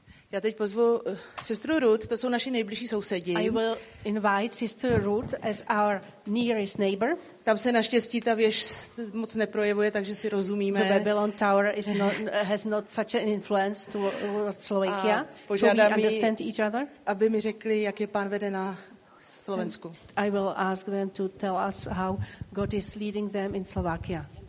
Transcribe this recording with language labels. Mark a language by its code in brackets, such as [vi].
[cs] Já teď pozvu sestru Ruth, to jsou naši nejbližší sousedi. [en] I will invite sister Ruth as our nearest neighbor. [cs] Tam se naštěstí ta věž moc neprojevuje, takže si rozumíme. [en] The Babylon Tower is has not such an influence towards Slovakia. [cs] Požádám [en] so we understand each other. [cs] Aby mi řekli, jak je pán vede na Slovensku. [en] I will ask them to tell us how God is leading them in Slovakia.